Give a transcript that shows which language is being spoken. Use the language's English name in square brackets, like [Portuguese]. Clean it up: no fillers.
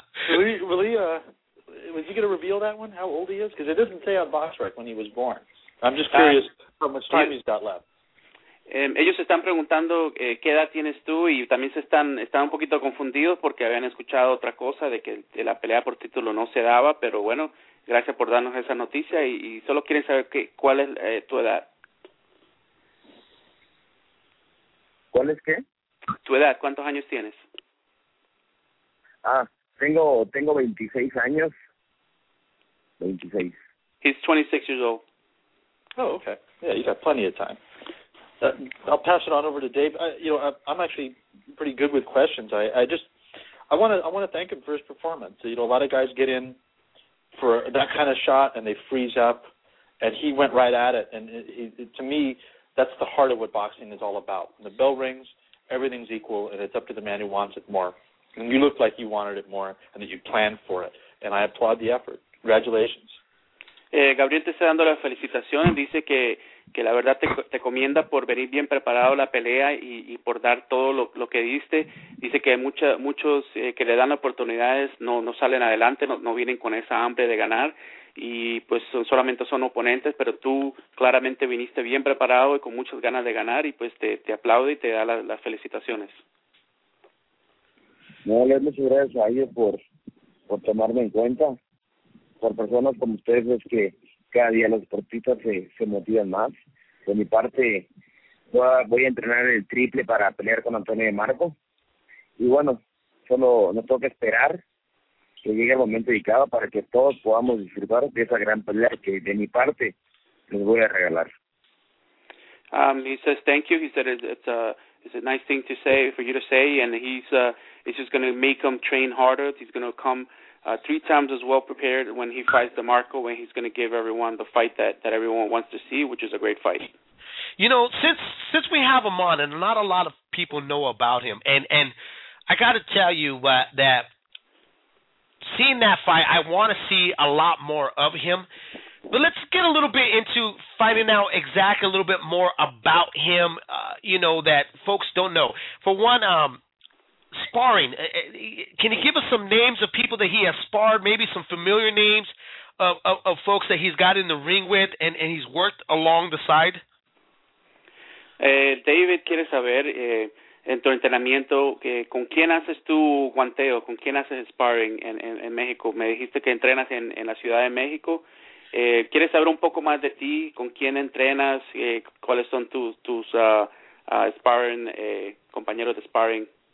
[English] was he going to reveal that one, how old he is? Because it doesn't say on BoxRec when he was born. I'm just curious how much time he's got left. [Spanish] Ellos están preguntando qué edad tienes tú, y también se están un poquito confundidos porque habían escuchado otra cosa de que la pelea por título no se daba, pero bueno, gracias por darnos esa noticia y solo quieren saber cuál es tu edad. ¿Cuál es qué? Tu edad, ¿cuántos años tienes? Ah, tengo 26 años. 26. [English] He's 26 years old. Oh, okay. Yeah, you got plenty of time. I'll pass it on over to Dave. I'm actually pretty good with questions. I want to thank him for his performance. You know, a lot of guys get in for that kind of shot and they freeze up, and he went right at it. And to me, that's the heart of what boxing is all about. When the bell rings, everything's equal, and it's up to the man who wants it more. And you look like you wanted it more and that you planned for it. And I applaud the effort. Congratulations. [Spanish] Gabriel te está dando las felicitaciones. Dice que la verdad te comienda por venir bien preparado a la pelea y por dar todo lo que diste. Dice que muchos que le dan oportunidades no salen adelante, no vienen con esa hambre de ganar. Y pues solamente son oponentes, pero tú claramente viniste bien preparado y con muchas ganas de ganar. Y pues te aplaude y te da las felicitaciones. No, muchas gracias a ellos por tomarme en cuenta. Por personas como ustedes, es que cada día los deportistas se motivan más. De mi parte, voy a entrenar el triple para pelear con Antonio de Marco. Y bueno, solo nos toca esperar que llegue el momento indicado para que todos podamos disfrutar de esa gran pelea que de mi parte les voy a regalar. [English] He says thank you. He said it's a nice thing to say, for you to say, and it's just going to make him train harder. He's going to come three times as well prepared when he fights DeMarco, when he's going to give everyone the fight that everyone wants to see, which is a great fight. You know, since we have him on, and not a lot of people know about him, and I got to tell you that seeing that fight, I want to see a lot more of him. But let's get a little bit into finding out exactly a little bit more about him, you know, that folks don't know. For one, sparring. Can you give us some names of people that he has sparred, maybe some familiar names of folks that he's got in the ring with and he's worked along the side? [Spanish] David quiere saber en tu entrenamiento, ¿con quién haces tu guanteo? ¿Con quién haces sparring en México? Me dijiste que entrenas en la Ciudad de México. ¿Quieres saber un poco más de ti? ¿Con quién entrenas? ¿Cuáles son tus sparring, compañeros de sparring?